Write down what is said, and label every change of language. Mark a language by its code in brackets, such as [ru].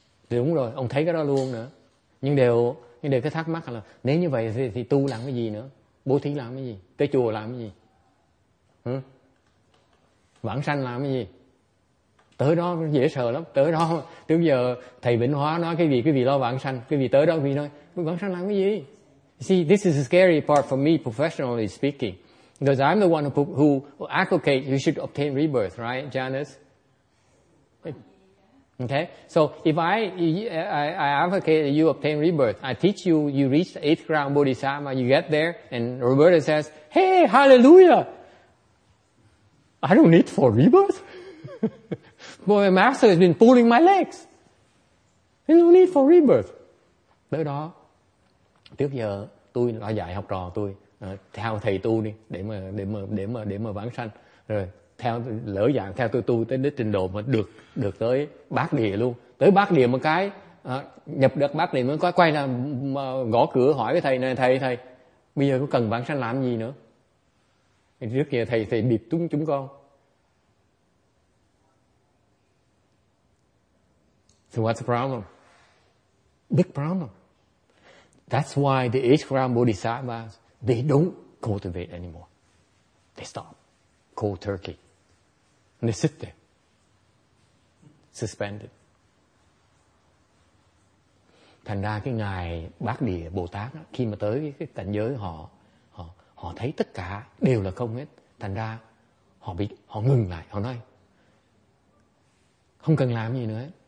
[vi] Đúng rồi, ông thấy cái đó luôn nữa. Nhưng đều cái thắc mắc là nếu như vậy thì tu làm cái gì nữa? Bố thí làm cái gì? Tới chùa làm cái gì? Vãng sanh làm cái gì? Tới đó dễ sợ lắm. Tới đó, từ giờ thầy Vĩnh Hóa nói cái gì? Cái gì lo vãng sanh? Cái gì tới đó? Cái gì nói? Vãng sanh làm cái gì? [en] See, this is a scary part for me professionally speaking. Because I'm the one who advocate you should obtain rebirth, right, Janice? Okay, so if I advocate you obtain rebirth, I teach you, you reach the eighth ground Bodhisattva, you get there, and Roberta says, hey, hallelujah! I don't need for rebirth. Boy, my master has been pulling my legs. There's no need for rebirth. [vi] Tới đó, trước giờ tôi đã dạy học trò tôi, theo thầy tu đi, để mà vãng sanh. Rồi. Theo lỡ dạng theo tôi tu tới đến trình độ mà được tới Bát Địa luôn, tới Bát Địa một cái nhập được Bát Địa mới có quay là gõ cửa hỏi với thầy này, thầy bây giờ có cần bản sanh làm gì nữa, trước kia thầy bịp chúng con. [en] So what's the problem? Big problem. That's why the eighth ground Bodhisattvas, they don't cultivate anymore. They stop cold turkey. And they sit there, suspended. [vi] Thành ra cái ngài Bát Địa Bồ Tát đó, khi mà tới cái cảnh giới họ thấy tất cả đều là không hết. Thành ra họ ngừng lại, họ nói không cần làm gì nữa.